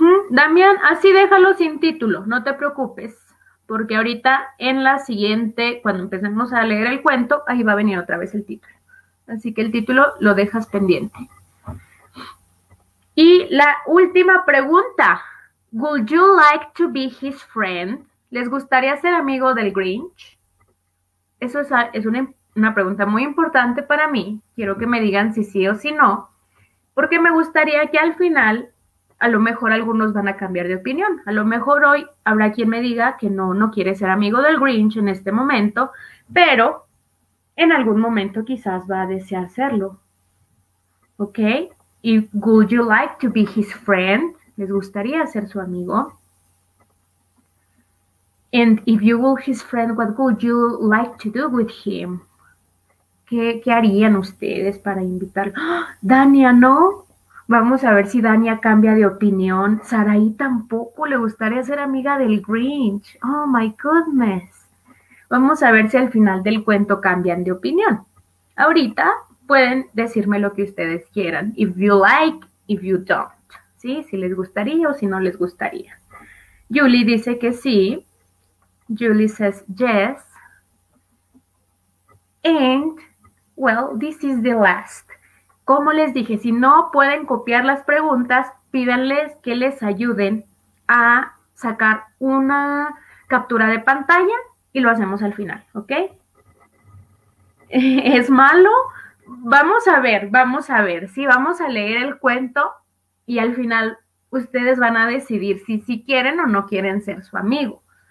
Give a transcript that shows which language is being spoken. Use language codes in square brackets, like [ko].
[es] Damián, así déjalo sin título. No te preocupes, porque ahorita en la siguiente, cuando empecemos a leer el cuento, ahí va a venir otra vez el título. Así que el título lo dejas pendiente. Y la última pregunta. [en] Would you like to be his friend? [es] ¿Les gustaría ser amigo del Grinch? Eso es una pregunta muy importante para mí. Quiero que me digan si sí o si no. Porque me gustaría que al final, a lo mejor algunos van a cambiar de opinión. A lo mejor hoy habrá quien me diga que no quiere ser amigo del Grinch en este momento. Pero en algún momento quizás va a desear hacerlo. ¿Ok? [en] ¿Y would you like to be his friend? [es] ¿Les gustaría ser su amigo? [en] And if you were his friend, what would you like to do with him? [es] ¿Qué harían ustedes para invitarlo? ¡Oh, Dania, no! Vamos a ver si Dania cambia de opinión. Saraí tampoco le gustaría ser amiga del Grinch. [en] ¡Oh, my goodness! [es] Vamos a ver si al final del cuento cambian de opinión. Ahorita pueden decirme lo que ustedes quieran. [en] If you like, if you don't. [es] ¿Sí? Si les gustaría o si no les gustaría. Julie dice que sí. [en] Julie says yes. And, well, this is the last. [es] Como les dije, si no pueden copiar las preguntas, pídanles que les ayuden a sacar una captura de pantalla. Y lo hacemos al final, ¿ok? ¿Es malo? Vamos a ver. Sí, vamos a leer el cuento y al final ustedes van a decidir si quieren o no quieren ser su amigo.